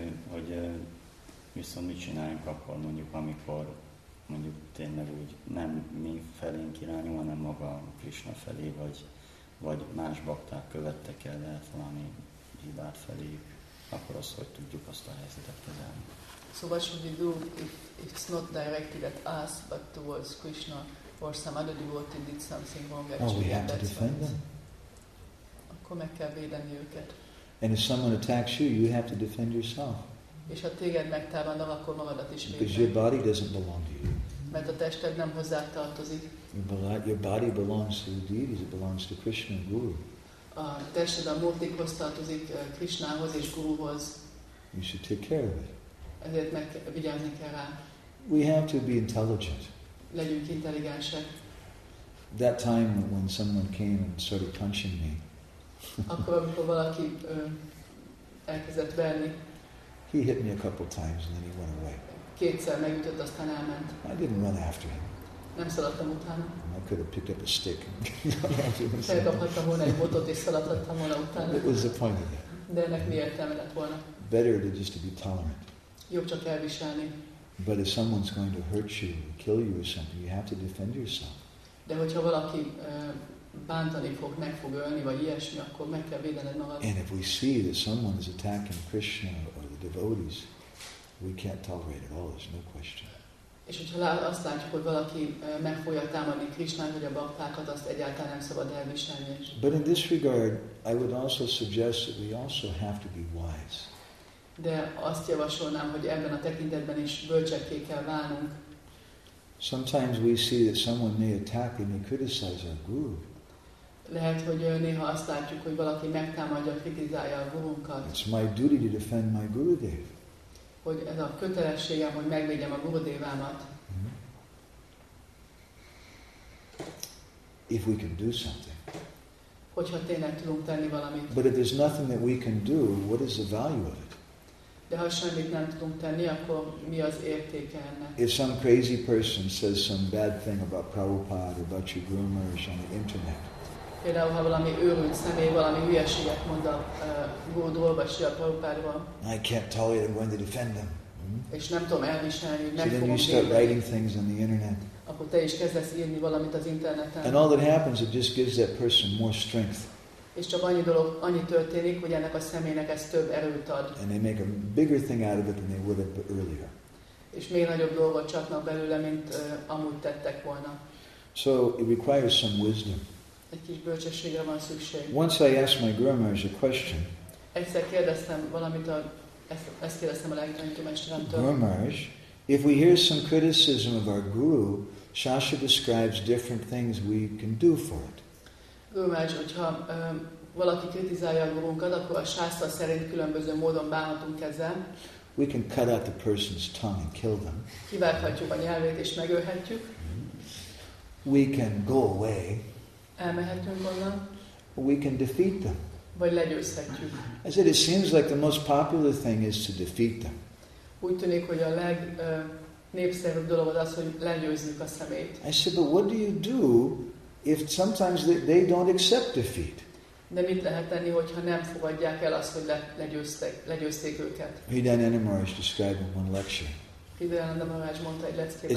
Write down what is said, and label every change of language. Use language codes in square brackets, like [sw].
[hu] Hogy viszont mit csináljunk akkor, mondjuk amikor mondjuk tényleg úgy nem mi felénk irányul, hanem maga Krishna felé, vagy más bakták követtek el, lehet valami hibát felé, akkor az, hogy tudjuk azt a helyzetet kezelni. [en] So what should we do if it's not directed at us, but towards Krishna or some other devotee did something wrong? Oh, we have to defend them. [hu] Akkor meg kell védeni őket. [en] And if someone attacks you, you have to defend yourself. [hu] És ha téged megtámadnak, akkor magadat is védeni. [en] Because your body doesn't belong to you. [hu] Mert a tested nem hozzá tartozik. [en] Your body belongs to the deities. It belongs to Krishna and Guru. [hu] A tested a múltikhoz tartozik, Krishnához és Guruhoz. [en] You should take care of it. [hu] Ezért meg vigyázni kell rá. [en] We have to be intelligent. [hu] Legyünk intelligensek. [en] That time when someone came and started punching me. [hu] Akkor amikor valaki elkezdett verni. [en] He hit me a couple times and then he went away. [hu] Kétszer megütött, aztán elment. [en] I didn't run after him. [hu] Nem szaladtam utána. [en] And I could have picked up a stick. [hu] Felkaphattam volna egy botot és szaladhattam volna utána. [en] It was the point of it. [hu] De ennek mi értelme lett volna? [en] Better to just to be tolerant. [hu] Jobb csak elviselni. [en] But if someone's going to hurt you, kill you or something, you have to defend yourself. [hu] De hogyha valaki bántani fog, meg fog ölni, vagy ilyesmi, akkor meg kell védened magad. [en] And if we see that someone is attacking Krishna or the devotees, we can't tolerate it all. There's no question. [hu] És hogyha azt látjuk, hogy valaki megfolyja támadni Krisnát vagy a baktákat, azt egyáltalán nem szabad elviselni. [en] But in this regard, I would also suggest that we also have to be wise. [hu] De azt javasolnám, hogy ebben a tekintetben is bölcsekké kell válnunk. [en] Sometimes we see that someone may attack and may criticize our guru. [hu] Lehet, hogy néha azt látjuk, hogy valaki megtámadja, kritizálja a gurunkat. [en] It's my duty to defend my Gurudev. [hu] Hogy ez a kötelességem, hogy megvédjem a Gurudevámat. [en] If we can do something. [hu] Hogyha tényleg tudunk tenni valamit. [en] But if there's nothing that we can do, what is the value of it? [hu] De ha semmit nem tudunk tenni, akkor mi az értéke ennek? [en] If some crazy person says some bad thing about Prabhupada or about your groomers on the internet. [hu] Például, ha valami őrült személy valami hülyeséget mond a Gurudról vagy a Prabhupádról. [en] I can't tolerate it, I'm going to defend them. [hu] És nem tudom elviselni, meg fogom. [en] Then you start writing things on the internet. [hu] Akkor te is kezdesz írni valamit az interneten. [en] And all that happens, it just gives that person more strength. [hu] És csak annyi dolog, annyi történik, hogy ennek a személynek ez több erőt ad. [en] And they make a bigger thing out of it than they would have earlier. [hu] És még nagyobb dolgot csapnak belőle, mint amúgy tettek volna. [en] So it requires some wisdom. [hu] Egy kis bölcsességre van szükség. [en] Once I asked my Guru Maharaj a question. [hu] Egyszer kérdeztem valamit, ezt kérdeztem a legtöbb mesteremtől. [en] Guru Maharaj, if we hear some criticism of our Guru, Shasha describes different things we can do for it. [hu] Guru Maharaj, hogyha valaki kritizálja a gurunkat, akkor a Shasha szerint különböző módon bánhatunk ezzel. [en] We can cut out the person's tongue and kill them. [hu] Kivághatjuk a nyelvét és megölhetjük. [en] We can go away. [hu] Elmehetünk volna. [en] We can defeat them. [hu] Vagy legyőzhetjük. [en] I said, it seems like the most popular thing is to defeat them. [hu] Úgy tűnik, hogy a legnépszerűbb dolog az, hogy legyőzzük a szemét. [en] I said, but what do you do if sometimes they don't accept defeat? [hu] De mit lehet tenni, hogyha nem fogadják el azt, hogy legyőzték őket? [en] Hridayananda Maharaj described in one lecture. [hu] Hridayananda Maharaj mondta egy leckében.